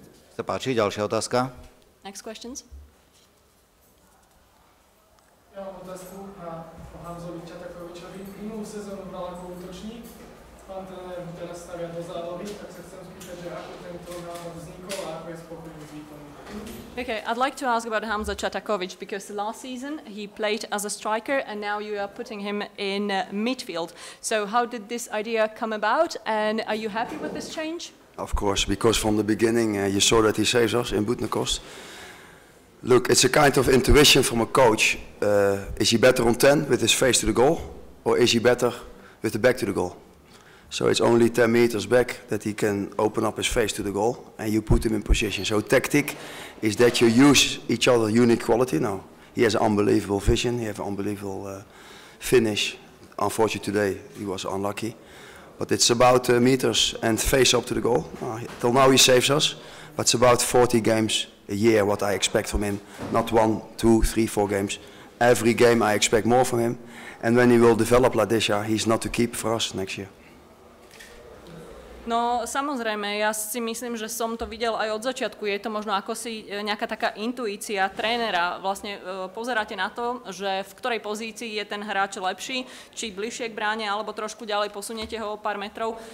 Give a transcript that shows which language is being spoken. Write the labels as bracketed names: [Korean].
[Slovak] Sa páči, ďalšia otázka. [English] Next questions. [Slovak] Ja mám otázku na Hanzovi Čatakovičovi. Minulú sezónu hral ako útočník, pán trenér ho teraz stavia do zálohy, tak sa chcem spýtať, že ako tento návod vznikol a ako je spokojný s výkonom. [English] Okay, I'd like to ask about Hamza Čatakovič because last season he played as a striker and now you are putting him in midfield. So how did this idea come about and are you happy with this change? Of course, because from the beginning you saw that he saves us in Budnikost. Look, it's a kind of intuition from a coach. Is he better on 10 with his face to the goal or is he better with the back to the goal? So it's only 10 meters back that he can open up his face to the goal and you put him in position. So tactic is that you use each other's unique quality. Now, he has an unbelievable vision, he has an unbelievable finish. Unfortunately today he was unlucky. But it's about meters and face up to the goal. Till now he saves us, but it's about 40 games a year what I expect from him. Not 1, 2, 3, 4 games. Every game I expect more from him. And when he will develop like this, he's not to keep for us next year. [Slovak] No, samozrejme, ja si myslím, že som to videl aj od začiatku. Je to možno akosi nejaká taká intuícia trénera. Vlastne pozeráte na to, že v ktorej pozícii je ten hráč lepší, či bližšie k bráne, alebo trošku ďalej posuniete ho o pár metrov.